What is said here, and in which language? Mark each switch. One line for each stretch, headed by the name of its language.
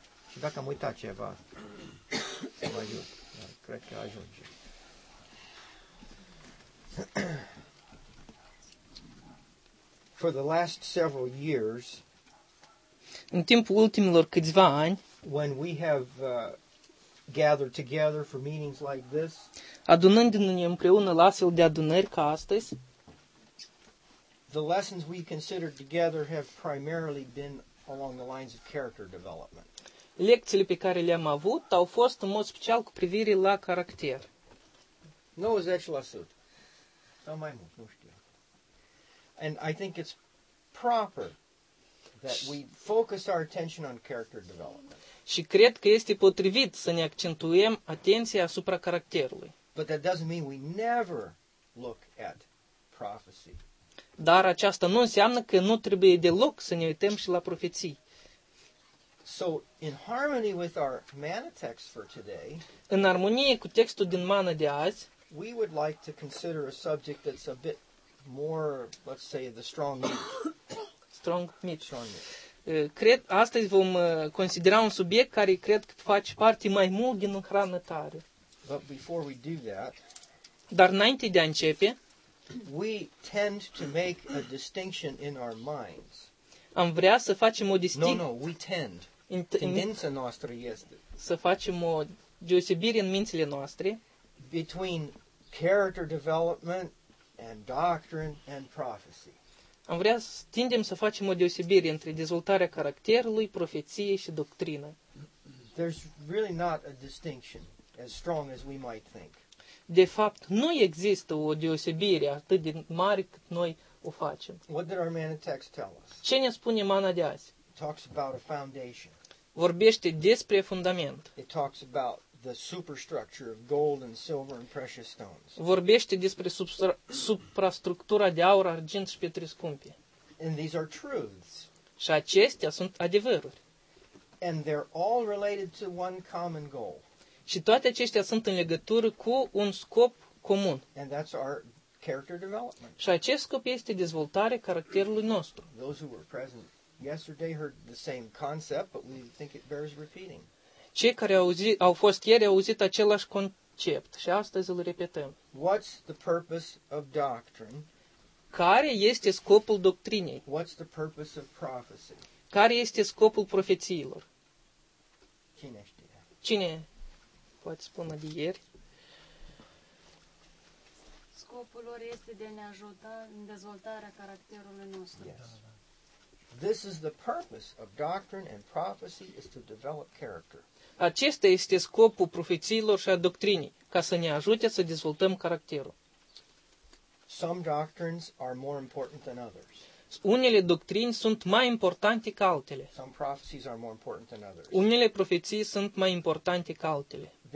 Romanian: Și dacă am uitat ceva, să mă ajut, da, cred că ajunge.
English: For the last several years,
Romanian: în timpul ultimilor câțiva ani,
English: when we have gathered together for meetings like this,
Romanian: adunându-ne împreună la astfel de adunări ca astăzi,
English: the lessons we considered together have primarily been along the lines of character development.
Romanian: Lecțiile pe care le-am avut au fost în mod special cu privire la caracter. 90% sau mai mult, nu știu.
English: And I think it's proper that we focus our attention on character development.
Romanian: Și cred că este potrivit să ne accentuăm atenția asupra caracterului.
English: But that doesn't mean we never look at prophecy.
Romanian: Dar aceasta nu înseamnă că nu trebuie deloc să ne uităm și la profeții.
English: So in harmony with our mana text for today,
Romanian: în armonie cu textul din mana de azi,
English: we would like to consider a subject that's a bit more, let's say, the strong meat. Strong meat. Strong meat.
Romanian: Cred, astăzi vom considera un subiect care cred că face parte mai mult din hrană tare.
English: But before we do that,
Romanian: dar înainte de a începe,
English: we tend to make a distinction in our minds.
Romanian: Am vrea să facem o distinct.
English: No, we tend.
Romanian: Tendința noastră este să facem o deosebire în mințile noastre
English: between character development and doctrine and prophecy.
Romanian: Am vrea să tindem să facem o deosebire între dezvoltarea caracterului, profeție și doctrină.
English: There's really not a distinction as strong as we might think.
Romanian: De fapt, nu există o deosebire atât de mare cât noi o facem.
English: What did our mana text tell us?
Romanian: Ce ne spune mana de azi?
English: It talks about a foundation.
Romanian: Vorbește despre fundament.
English: It talks about the superstructure of gold and silver and precious stones.
Romanian: Vorbește despre suprastructura de aur, argint și pietre scumpe.
English: And these are truths.
Romanian: Și acestea sunt adevăruri.
English: And they're all related to one common goal.
Romanian: Și toate acestea sunt în legătură cu un scop comun.
English: And that's our character development.
Romanian: Și acest scop este dezvoltarea caracterului nostru.
English: Those who were present yesterday heard the same concept, but we think it bears repeating.
Romanian: Cei care au fost ieri au auzit același concept și astăzi îl repetăm.
English: What's the purpose of doctrine?
Romanian: Care este scopul doctrinei?
English: What's the purpose of prophecy?
Romanian: Care este scopul profețiilor? Cine știe? Cine poate spune de ieri? Scopul lor este de a ne ajuta în dezvoltarea caracterului nostru.
English: Yes. This is the purpose of doctrine and prophecy is to develop character.
Romanian: Acesta este scopul profețiilor și a doctrinii, ca să ne ajute să dezvoltăm caracterul.
English: Some doctrines are more important than others.
Romanian: Unele doctrini sunt mai importante ca altele.
English: Some prophecies are more important than others.
Romanian: Unele profeții sunt mai importante ca altele.